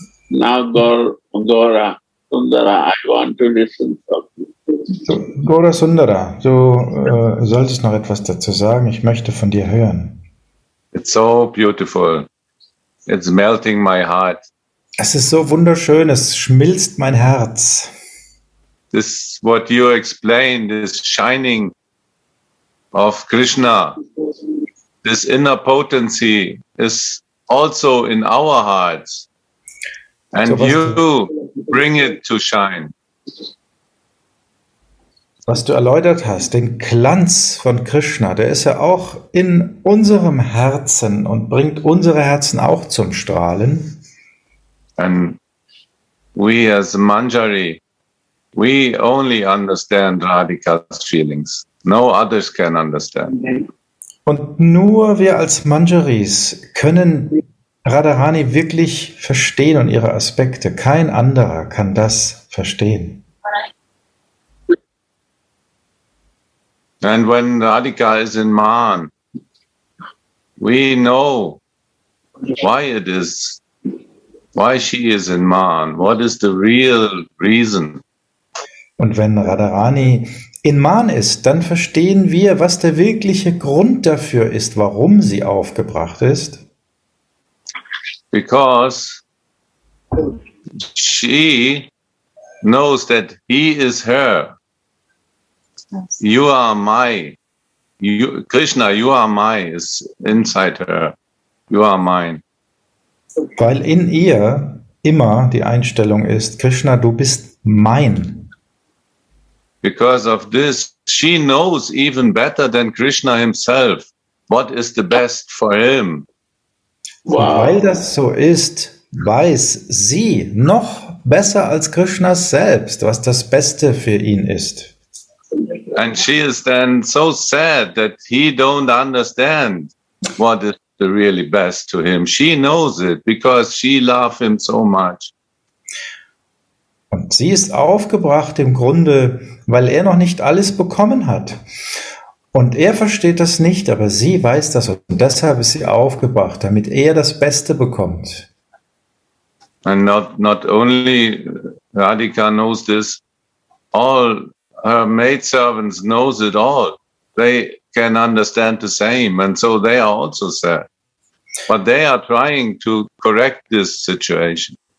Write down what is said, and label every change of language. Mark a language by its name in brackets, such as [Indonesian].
[English] Now Gaura Sundara, I want to listen from you. [German] So, Gaura Sundara, du solltest noch etwas dazu sagen. Ich möchte von dir hören. [English] It's so beautiful. It's melting my heart. [German] Es ist so wunderschön, es schmilzt mein Herz. [English] This what you explained is shining of Krishna. This inner potency is also in our hearts. And so you bring it to shine. [German] Was du erläutert hast, den Glanz von Krishna, der ist ja auch in unserem Herzen und bringt unsere Herzen auch zum Strahlen. [English] And we as Manjari, we only understand Radhika's feelings. No others can understand. [German] Und nur wir als Manjaris können Radharani wirklich verstehen und ihre Aspekte. Kein anderer kann das verstehen. [English] And when Radhika is in Man, we know why it is, why she is in Man. What is the real reason? [German] Und wenn Radharani in Man ist, dann verstehen wir, was der wirkliche Grund dafür ist, warum sie aufgebracht ist. [English] Because she knows that he is her. You are my. You, Krishna, you are my is inside her. You are mine. [German] Weil in ihr immer die Einstellung ist, Krishna, du bist mein. [English] Because of this, she knows even better than Krishna himself, what is the best for him. Wow. [German] Und weil das so ist, weiß sie noch besser als Krishna selbst, was das Beste für ihn ist. [English] And she is then so sad that he don't understand what is the really best to him. She knows it because she loves him so much. [German] Und sie ist aufgebracht im Grunde, weil er noch nicht alles bekommen hat. Und er versteht das nicht, aber sie weiß das. Und deshalb ist sie aufgebracht, damit er das Beste bekommt. [English] And not only Radhika knows this, all her maidservants knows it all. They can understand the same, and so they are also sad. But they are trying to correct this situation.